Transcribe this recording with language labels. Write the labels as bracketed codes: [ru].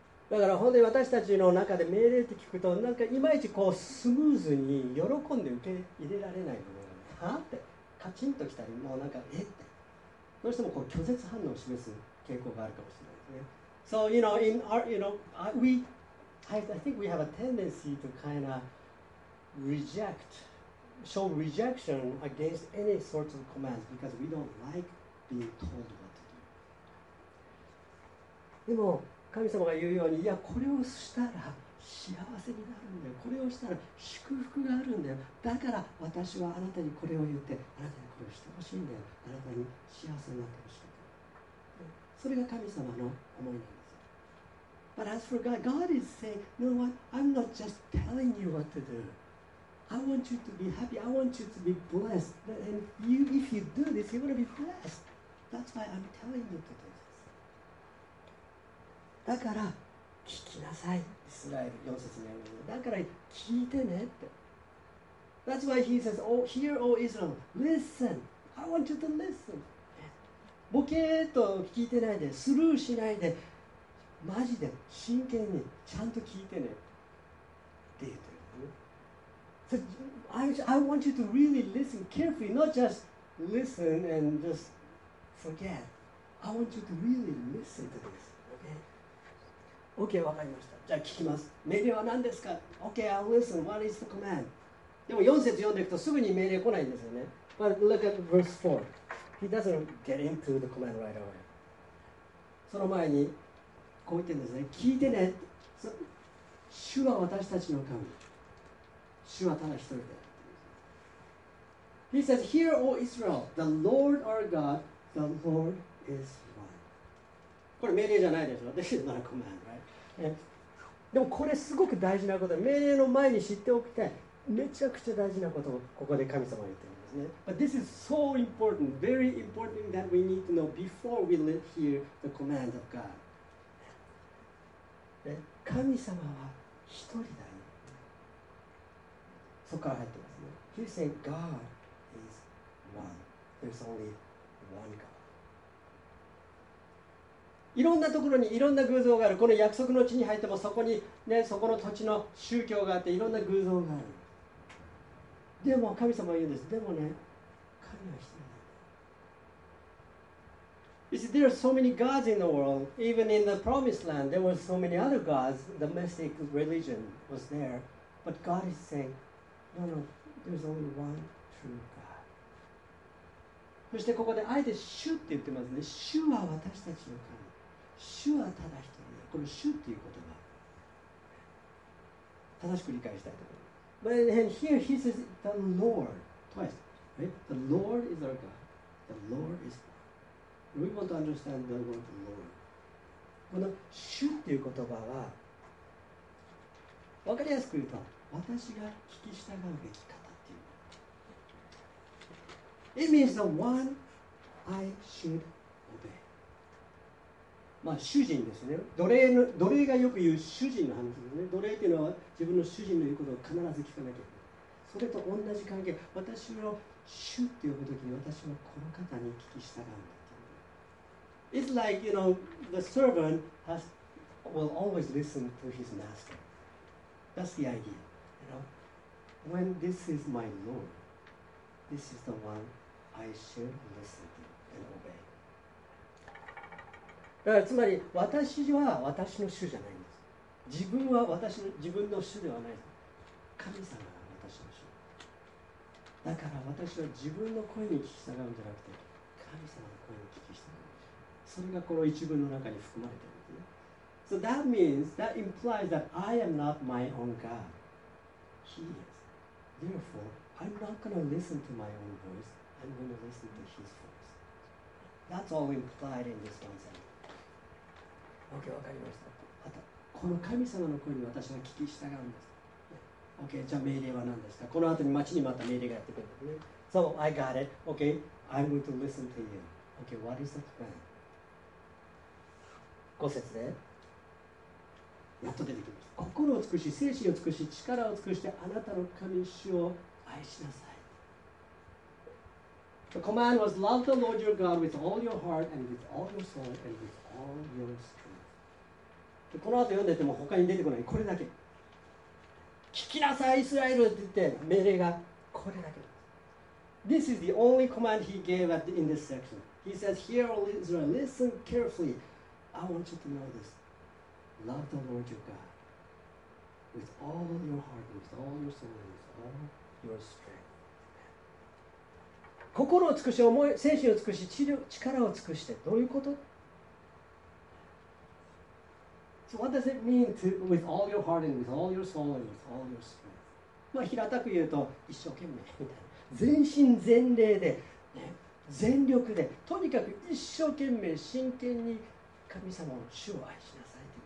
[ja] だから本当に私たちの中で命令って聞くと、なんかいまいちこうスムーズに喜んで受け入れられないものがね。はって。カチンときたり、もうなんか、えって。どうしてもこう拒絶反応を示す傾向があるかもしれないですね。 [en] So, you know, in our, you know, we, I think we have a tendency to kind of reject, show rejection against any sorts of commands because we don't like being told what to do. [ja] でも、神様が言うように、いや、これをしたら幸せになるんだよ、これをしたら祝福があるんだよ、だから私はあなたにこれを言って、あなたにこれをしてほしいんだよ、あなたに幸せになってほしいんだよ。それが神様の思いなんですよ。 [en] But as for God, God is saying, No, I'm not just telling you what to do. I want you to be happy. I want you to be blessed. And you, if you do this, you're going to be blessed. That's why I'm telling you to do this. [ja] だから聞きなさい、イスラエル4節目の。だから聞いてねって。 [en] That's why he says, Oh, hear, O Israel, listen. I want you to listen. [ja] ボケーっと聞いてないで、スルーしないで、マジで真剣にちゃんと聞いてねって言ってる。 [en] So, I want you to really listen carefully, not just listen and just forget. I want you to really listen to this. Okay? Okay, [ja] 分かりました。じゃあ聞きます。命令は何ですか？ [en] Okay, I'll listen. What is the command? [ja] でも4節読んでいくとすぐに命令来ないんですよね。 [en] But look at verse 4. He doesn't get into the command right away. [ja] その前にこう言ってるんですね。聞いてね。主は私たちの神。主はただ一人で。 [en] He says, Hear, O Israel, the Lord our God, the Lord is one. [ja] これ命令じゃないでしょ。 [en] This is not a command, right? [ja] でもこれすごく大事なことで、命令の前に知っておきたい。めちゃくちゃ大事なことをここで神様が言ってるんですね。 [en] But this is so important, very important that we need to know before we hear the command of God. [ja] 神様は一人だよ。そこから入ってますね。 [en] He said, God is one. There's only one God. [ja] いろんなところにいろんな偶像がある。この約束の地に入ってもそこに、ね、そこの土地の宗教があっていろんな偶像がある。でも神様は言うんです。でもね、神は一人だ。 [en] You see, there are so many gods in the world. Even in the promised land, there were so many other gods. The mystic religion was there. But God is saying, no, no, there's only one true God. [ja] そしてここであえて主って言ってますね。主は私たちの神。主はただ一人。この主っていう言葉。正しく理解したいところ。 [en] But and here he says the Lord twice, right? The Lord is our God. The Lord is God. We want to understand the word Lord. [ja] この主っていう言葉は、分かりやすく言うと、私が聞き従うべき方っていう。 [en] It means the one I should obey. [ja] まあ主人ですね。奴隷がよく言う主人の話ですね。奴隷っていうのは自分の主人の言うことを必ず聞かなきゃいけない。それと同じ関係、私を主って呼ぶときに私はこの方に聞き従うんだっていう。 [en] It's like, you know, the servant will always listen to his master. That's the idea. When this is my Lord, this is the one I should listen to and obey. [ja] だからつまり私は私の主じゃないんです。自分は私の自分の主ではないです。神様が私の主。だから私は自分の声に聞き従うんじゃなくて、神様の声に聞き従う。それがこの一文の中に含まれているんですね。 [en] So that means, that implies that I am not my own God. He is. Therefore, I'm not going to listen to my own voice. I'm going to listen to his voice. That's all implied in this one sentence. [ja] Okay, 分かりました。あと、この神様の声に私は聞き従うんです。 Okay, じゃあ命令は何ですか？この後に町にまた命令がやってくる。 [en] So, I got it. Okay, I'm going to listen to you. Okay, what is the plan? [ja] 5節で。やっと出てきました。心を尽くし、精神を尽くし、力を尽くして、あなたの神主を愛しなさい。 [en] The command was, love the Lord your God with all your heart and with all your soul and with all your strength. [ja] この後読んでても他に出てこない。これだけ。聞きなさい、イスラエルって言って命令がこれだけ。 [en] This is the only command he gave in this section. He says, Hear, O Israel, listen carefully. I want you to know this. Love the Lord your God with all your heart, with all your soul, with all your strength. [ja] 心を尽くし、精神を尽くし、力を尽くして、どういうこと？ [en] So what does it mean to with all your heart and with all your soul and with all your strength? [ja] まあ平たく言うと一生懸命みたいな。全身全霊で、ね、全力で、とにかく一生懸命真剣に神様の主を愛しなさい。